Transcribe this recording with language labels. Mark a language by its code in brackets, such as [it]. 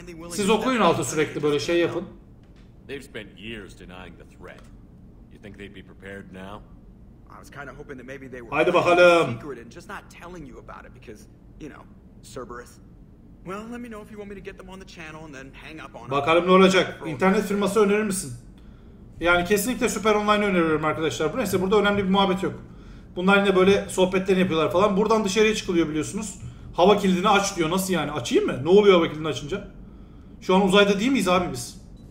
[tr] Siz okuyun altı sürekli böyle şey yapın. [en] They've spent years denying the threat. You think they'd be prepared now? I was kind of hoping that maybe they were. [tr] Haydi bakalım. [en] Secret and just not telling you about it because, you know, Cerberus. Well, let me know if you want me to get them on the channel and then hang up on. [tr] Bakalım ne olacak? İnternet firması önerir misin? Yani kesinlikle Süper Online'ı öneriyorum arkadaşlar. Neyse, burada önemli bir muhabbet yok. Bunlar yine böyle sohbetlerini yapıyorlar falan. Buradan dışarıya çıkılıyor biliyorsunuz. Hava kilidini aç diyor. Nasıl yani? Açayım mı? Ne oluyor hava kilidini açınca? Şu an uzayda değil miyiz abi biz?